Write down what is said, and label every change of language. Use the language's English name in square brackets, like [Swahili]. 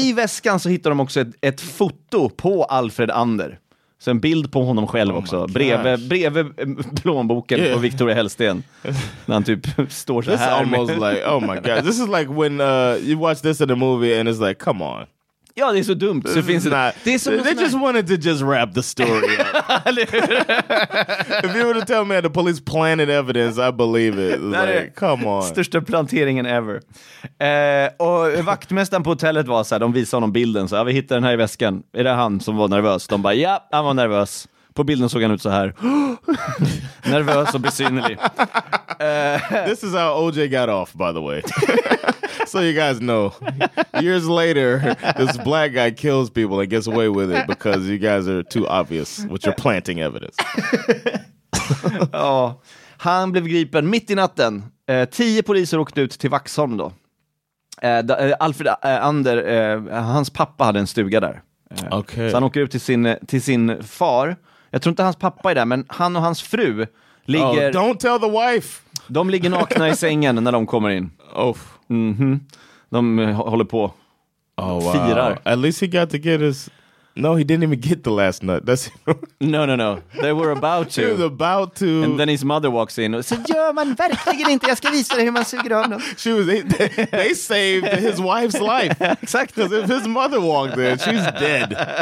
[Swedish] I väskan så hittar de också ett foto på Alfred Ander. Så en bild på honom själv också. Oh, bredvid plånboken på Victoria Hällsten. När han typ står så [English] this [Swedish] här. [English] This is almost like, oh my god. This is like when you watch this in a movie and it's like, come on. [Swedish] Ja, det är så dumt. Så finns [English] not, [Swedish] det. Det är [English] som they just wanted to just wrap the story up. If you were to tell me that the police planted evidence, I believe it. Like, come on. [Swedish] Största planteringen ever. Och vaktmästaren på hotellet var så här, de visade honom bilden. Så här, vi hittar den här i väskan. Är det han som var nervös? De bara, ja, han var nervös. På bilden såg han ut så här. Nervös och besynnerlig. [English] This is how OJ got off, by the way. So you guys know, years later, this black guy kills people and gets away with it because you guys are too obvious with your planting evidence. [Swedish] Ja, han blev gripen mitt i natten. 10 poliser åkte ut till Vaxholm då. Alfred Ander, hans pappa hade en stuga där. [English] Okay. [Swedish] Så han åker ut till sin far. Jag tror inte hans pappa är där, men han och hans fru ligger... [English] Oh, don't tell the wife! [Swedish] De ligger nakna i sängen när de kommer in. [English] Oof. [Swedish] Mm-hmm. De håller på. [English] Oh wow. Firar. At least he got to get his. No, he didn't even get the last nut. That's No. They were about to. He was about to. And then his mother walks in. [Swedish] Så gör man verkligen inte. Jag ska visa dig hur man suger av dem. [English] She was. They saved his wife's life. [Swedish] Exakt. [English] Because if his mother walked in, she's dead.